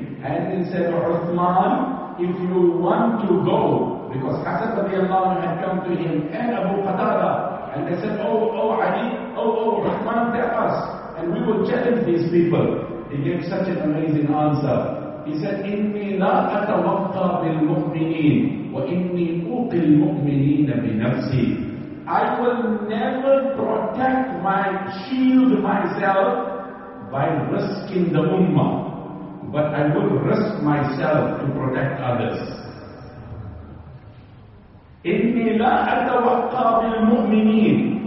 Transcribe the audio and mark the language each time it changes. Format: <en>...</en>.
<en>And he said, Uthman, if you want to go, because Hasan radiallahu anhu had come to him and Abu Qatada, and they said, Oh, Uthman, tell us. And we will challenge these people. He gave such an amazing answer. He said,</en> <ar>إِنِّي لَا أَتَوَقَّى بِالْمُؤْمِنِينَ وَإِنِّي أُوقِي الْمُؤْمِنِينَ بِنَفْسِي.</ar> <en>I will never protect my shield myself by risking the ummah, but I would risk myself to protect others.</en> <ar>إِنِّي لَا أَتَوَقَّى بِالْمُؤْمِنِينَ.</ar>